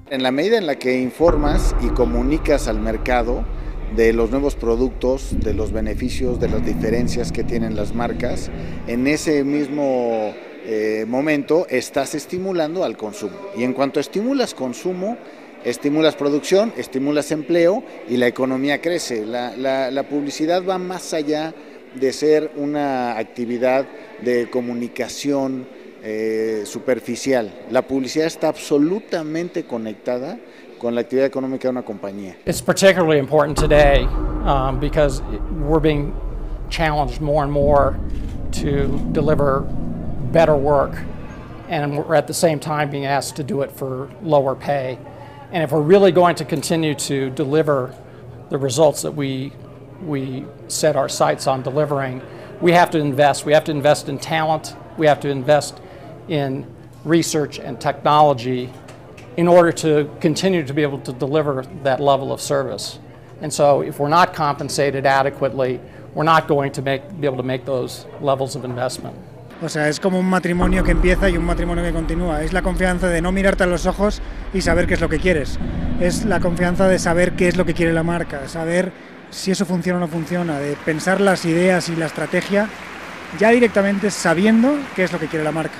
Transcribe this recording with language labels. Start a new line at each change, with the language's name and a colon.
Spanish: En la medida en la que informas y comunicas al mercado de los nuevos productos, de los beneficios, de las diferencias que tienen las marcas, en ese mismo momento estás estimulando al consumo, y en cuanto estimulas consumo, estimulas producción, estimulas empleo y la economía crece. La publicidad va más allá de ser una actividad de comunicación superficial. La publicidad está absolutamente conectada con la actividad económica de una compañía.
English: It's particularly important today because we're being challenged more and more to deliver better work, and we're at the same time being asked to do it for lower pay. And if we're really going to continue to deliver the results that we set our sights on delivering, we have to invest. We have to invest in talent. We have to invest in research and technology in order to continue to be able to deliver that level of service. And so if we're not compensated adequately, we're not going to be able to make those levels of investment.
Spanish: O sea, es como un matrimonio que empieza y un matrimonio que continúa. Es la confianza de no mirarte a los ojos y saber qué es lo que quieres. Es la confianza de saber qué es lo que quiere la marca, saber si eso funciona o no funciona, de pensar las ideas y la estrategia ya directamente sabiendo qué es lo que quiere la marca.